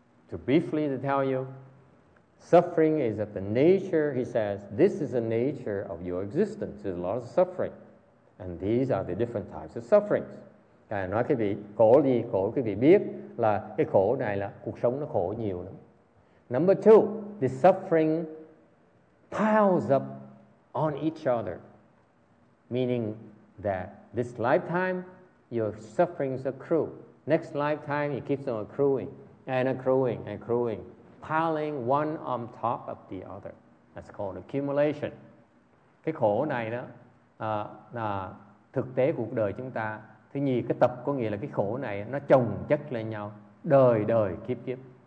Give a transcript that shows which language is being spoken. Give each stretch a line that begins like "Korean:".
English: So briefly to tell you, suffering is of the nature, he says, this is the nature of your existence. There's a lot of suffering. And these are the different types of sufferings.
Vietnamese: Ngài nói quý vị, khổ gì? Khổ quý vị biết là cái khổ này là cuộc sống nó khổ nhiều lắm.
English: Number two, the suffering piles up on each other. Meaning that this lifetime, your sufferings accrue. Next lifetime, it keeps on accruing and accruing and accruing. Piling one on top of the other. That's called accumulation.
Vietnamese: Cái khổ này đó, là thực tế cuộc đời chúng ta. Thứ nhì, cái tập có nghĩa là cái khổ này nó chồng chất lên nhau, đời đời kiếp kiếp.